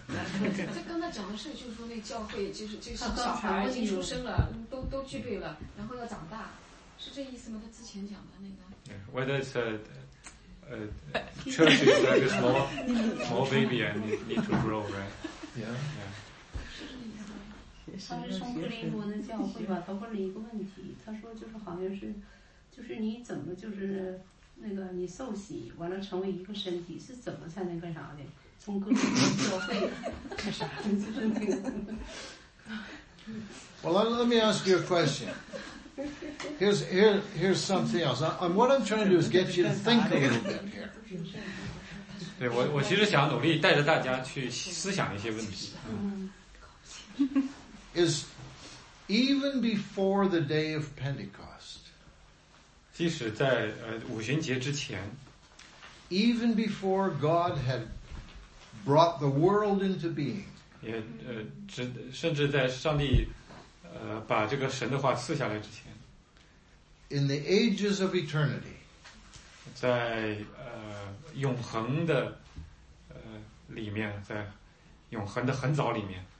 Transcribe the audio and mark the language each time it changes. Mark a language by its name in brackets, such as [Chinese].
[Chinese] 这刚才讲的事就是说，那教会就是小孩已经出生了，都具备了，然后要长大。是这意思吗？他之前讲的那个。 [English] Yeah, whether it's a church is like a small baby and need to grow, right? Yeah. [Chinese] 是这意思吗？他是从格林多的教会吧？他问了一个问题，他说就是好像是，就是你怎么就是那个你受洗完了成为一个身体是怎么才能干啥的？从格林多教会干啥？就是那个。 [English] Well, let me ask you a question. here's something else. I'm, what I'm trying to do is get you to think a little bit here. [Chinese] 对，我其实想努力带着大家去思想一些问题。 [English] Is even before the day of Pentecost. [Chinese] 即使在五旬节之前。 [English] Even before God had brought the world into being. [Chinese] 也甚至在上帝把这个神的话赐下来之前。 [English] In the ages of eternity. [Chinese] 在永恒的里面，在永恒的很早里面。